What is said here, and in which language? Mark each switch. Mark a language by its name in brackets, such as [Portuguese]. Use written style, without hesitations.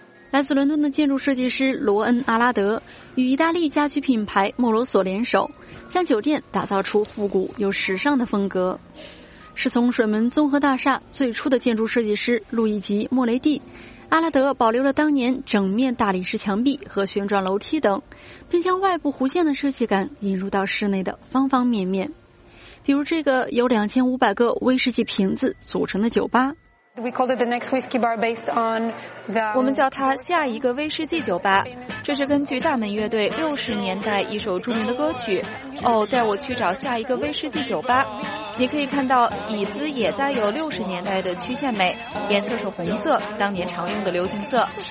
[Chinese] 来自伦敦的建筑设计师罗恩·阿拉德与意大利家居品牌莫罗索联手，将酒店打造出复古又时尚的风格，是从水门综合大厦最初的建筑设计师路易吉·莫雷蒂。阿拉德保留了当年整面大理石墙壁和旋转楼梯等，并将外部弧线的设计感引入到室内的方方面面，比如这个由2500个威士忌瓶子组成的酒吧。 [English] We called it the next whiskey bar based on the. [Chinese] 我们叫它下一个威士忌酒吧，这是根据大门乐队60年代一首著名的歌曲《哦，带我去找下一个威士忌酒吧》。你可以看到椅子也带有60年代的曲线美，颜色是红色，当年常用的流行色。